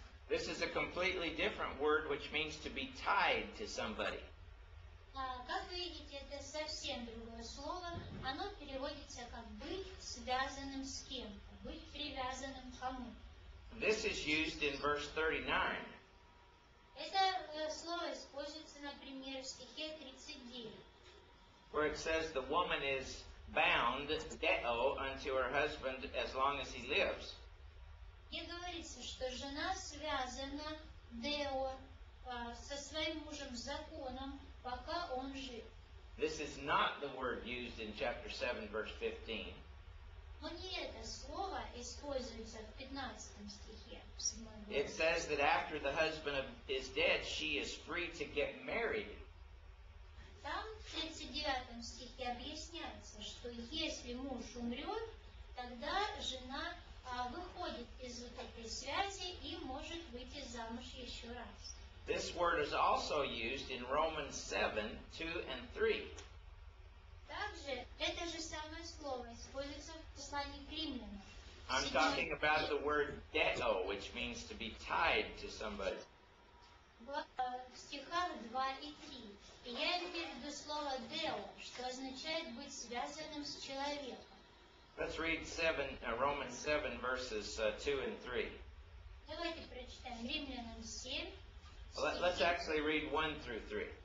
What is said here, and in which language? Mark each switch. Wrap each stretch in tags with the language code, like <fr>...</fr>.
<en>This is a completely different word which means to be tied to somebody.</en> <ru>Как видите, это совсем другое слово. Оно переводится как быть связанным с кем-то, быть привязанным к кому-то.</ru> <en>This is used in verse 39.</en> <ru>Это слово используется, например, в стихе</ru> <en>where it says the woman is bound, deo, unto her husband as long as he lives.</en> <ru>И говорится, что жена связана deo со своим мужем законом, пока он жив.</ru> <en>This is not the word used in chapter 7, verse 15.</en> <ru>Но не это слово используется в 15 стихе.</ru> <en>It says that after the husband is dead, she is free to get married.</en> <ru>Там в 39 стихе объясняется, что если муж умрет, тогда жена выходит из вот этой связи и может выйти замуж еще раз.</ru> <en>This word is also used in Romans 7, 2 and 3.</en> <ru>Также это же самое слово используется в послании к Римлянам.</ru> <en>I'm talking about the word deo, which means to be tied to somebody.</en> <ru>Стихах 2 и 3. Я имею в виду слово deo, что означает быть связанным с человеком.</ru> <en>Let's read Romans 7, verses 2 and 3.</en> <ru>Давайте прочитаем Римлянам 7.</ru> <en>Let's actually read 1 through 3.</en>